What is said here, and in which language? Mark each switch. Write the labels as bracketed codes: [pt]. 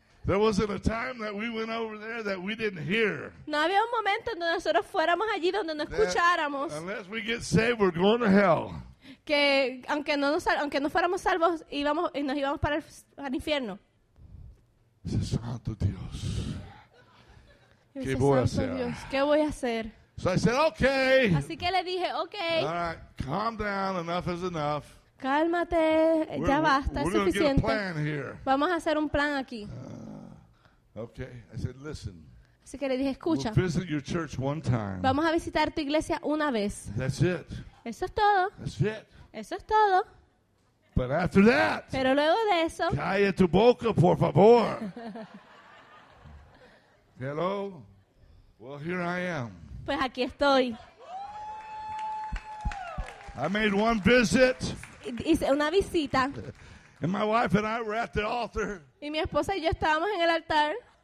[en] There wasn't a time that we went over there that we didn't hear. [es] No había un momento donde nosotros fuéramos allí donde no escucháramos. [en] Unless we get saved, we're going to hell. [es] Que aunque no fuéramos salvos, íbamos y nos íbamos para el infierno. Ese santo Dios. ¿Qué voy a hacer? Dios, ¿qué voy a hacer? [en] So I said, okay. [es] Así que le dije, okay. [en] All right, calm down, enough is enough. [es] Cálmate, ya basta, es suficiente. Vamos a hacer un plan aquí. [en] Okay, I said, listen. [es] Así que le dije, escucha. [en] We'll visit your church one time. [es] Vamos a visitar tu iglesia una vez. [en] That's it. [es] Eso es todo. [en] That's it. [es] Eso es todo. [en] But after that. [es] Pero luego de eso. Calla tu boca, por favor. [en] Hello? Well, here I am. [es] Pues aquí estoy. [en] I made one visit. [es] Hice una visita. [en] And my wife and I were at the altar. [es] Y mi esposa y yo estábamos en el altar.